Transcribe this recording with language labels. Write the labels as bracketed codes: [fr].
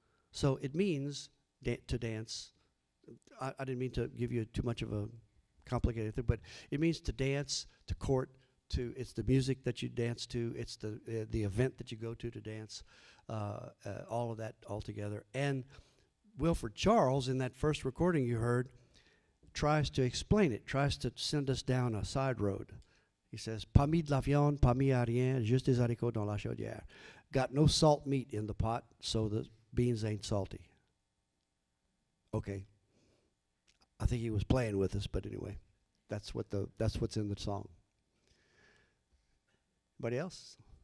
[en] So it means to dance. I didn't mean to give you too much of a complicated thing, but it means to dance, to court, to, it's the music that you dance to, it's the event that you go to dance, all of that all together. And Wilfred Charles, in that first recording you heard, tries to explain it, tries to send us down a side road. He says, [fr] pas mis de la viande, pas mis à rien, juste des haricots dans la chaudière. [en] Got no salt meat in the pot, so the beans ain't salty. Okay. I think he was playing with us, but anyway, that's what's in the song. Anybody else?